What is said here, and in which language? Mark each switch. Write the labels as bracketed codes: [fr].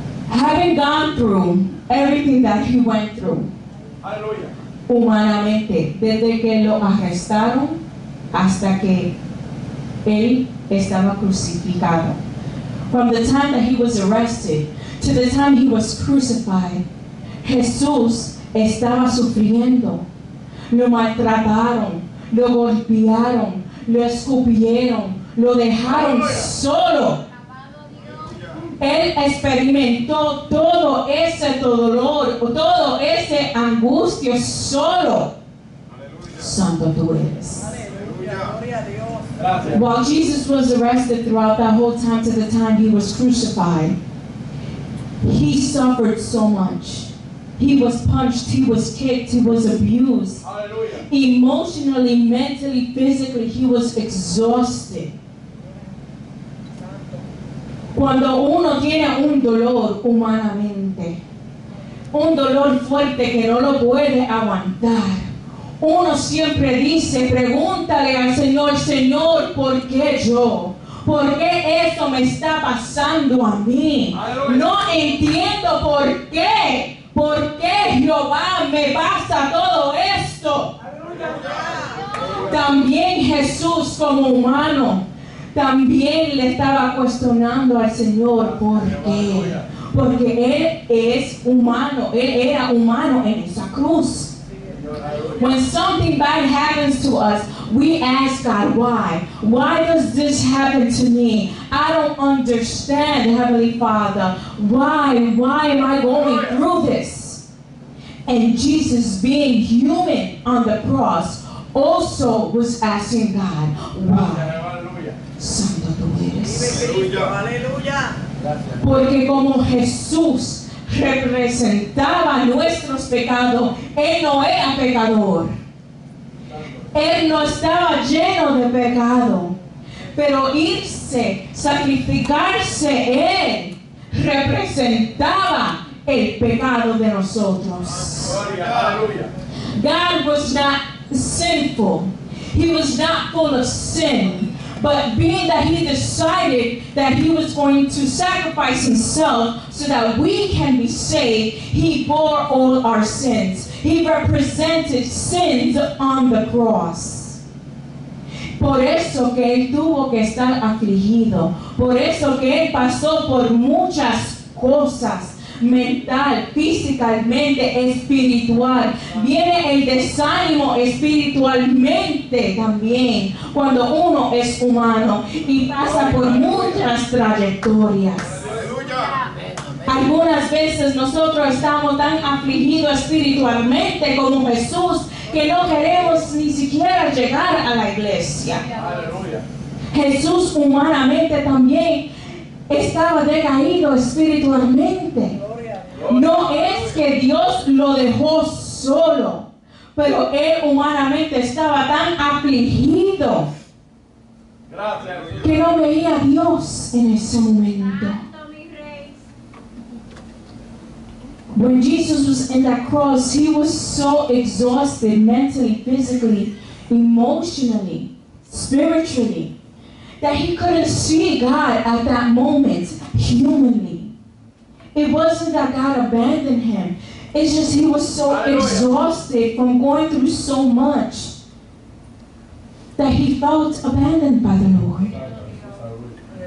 [en] Having gone through everything that he went through, [es] aleluya, humanamente, desde que lo arrestaron hasta que él estaba crucificado. [en] From the time that he was arrested to the time he was crucified, [es] Jesús estaba sufriendo. Lo maltrataron, lo golpearon, lo escupieron, lo dejaron solo. Él experimentó todo ese dolor, todo ese angustia solo. Santo tú eres. [en] While Jesus was arrested throughout that whole time to the time he was crucified, he suffered so much. He was punched, he was kicked, he was abused. Hallelujah. Emotionally, mentally, physically, he was exhausted. [es] Cuando uno tiene un dolor humanamente, un dolor fuerte que no lo puede aguantar, uno siempre dice, pregúntale al Señor, Señor, ¿por qué yo? ¿Por qué esto me está pasando a mí? No entiendo por qué. ¿Por qué Jehová me pasa todo esto? También Jesús como humano, también le estaba cuestionando al Señor, ¿por qué? Porque Él es humano, Él era humano en esa cruz. [en] When something bad happens to us, we ask God, why? Why does this happen to me? I don't understand, Heavenly Father. Why am I going through this? And Jesus, being human on the cross, also was asking God, why? [es] Santo tú eres. Aleluya. Porque como Jesús representaba nuestros pecados, él no era pecador, él no estaba lleno de pecado, pero irse, sacrificarse, él representaba el pecado de nosotros. [en] God was not sinful, he was not full of sin, but being that he decided that he was going to sacrifice himself so that we can be saved, he bore all our sins. He represented sins on the cross. [es] Por eso que él tuvo que estar afligido. Por eso que él pasó por muchas cosas, mental, físicamente, espiritual. Viene el desánimo espiritualmente también cuando uno es humano y pasa por muchas trayectorias. Algunas veces nosotros estamos tan afligidos espiritualmente como Jesús que no queremos ni siquiera llegar a la iglesia. Jesús humanamente también estaba decaído espiritualmente. No es que Dios lo dejó solo, pero él humanamente estaba tan afligido que no veía a Dios en ese momento. [en] When Jesus was in that cross, he was so exhausted mentally, physically, emotionally, spiritually, that he couldn't see God at that moment, humanly. It wasn't that God abandoned him. It's just he was so exhausted from going through so much that he felt abandoned by the Lord.